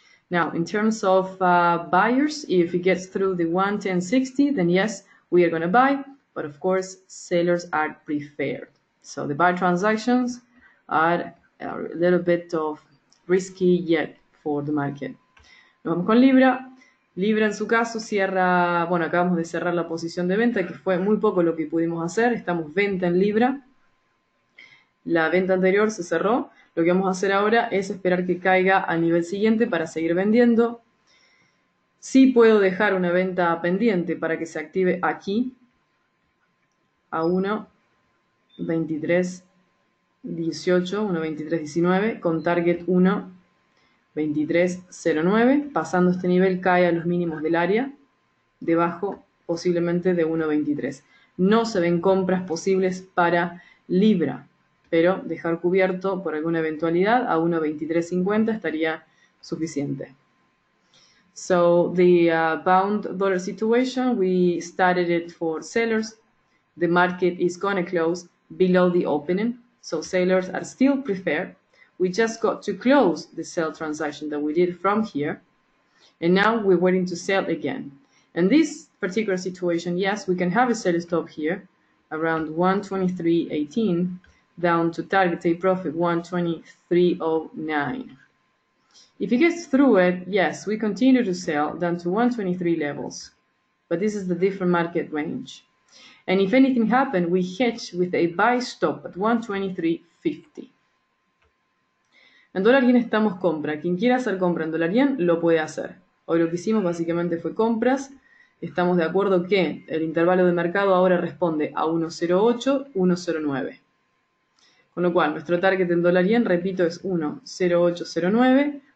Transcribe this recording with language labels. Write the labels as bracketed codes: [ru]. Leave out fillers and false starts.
[en] Now, in terms of buyers, if it gets through the 110.60, then yes, we are going to buy, but of course, sellers are preferred. So the buy transactions are a little bit of risky yet for the market. [es] Vamos con Libra. Libra en su caso cierra, bueno, acabamos de cerrar la posición de venta, que fue muy poco lo que pudimos hacer, estamos venta en Libra. La venta anterior se cerró, lo que vamos a hacer ahora es esperar que caiga al nivel siguiente para seguir vendiendo. Sí puedo dejar una venta pendiente para que se active aquí a 1.2318, 1.2319 con target 1. 23.09, pasando este nivel cae a los mínimos del área, debajo posiblemente de 1.23. No se ven compras posibles para Libra, pero dejar cubierto por alguna eventualidad a 1.2350 estaría suficiente. [en] So the bound dollar situation, we started it for sellers. The market is going to close below the opening, so sellers are still preferred. We just got to close the sell transaction that we did from here, and now we're waiting to sell again. In this particular situation, yes, we can have a sell stop here around 123.18 down to target take profit 123.09. If it gets through it, yes, we continue to sell down to 123 levels, but this is the different market range. And if anything happened, we hedge with a buy stop at 123.50. [es] En dólar yen estamos compra. Quien quiera hacer compra en dólar yen lo puede hacer. Hoy lo que hicimos básicamente fue compras. Estamos de acuerdo que el intervalo de mercado ahora responde a 1.08, 1.09. Con lo cual, nuestro target en dólar yen, repito, es 1.0809.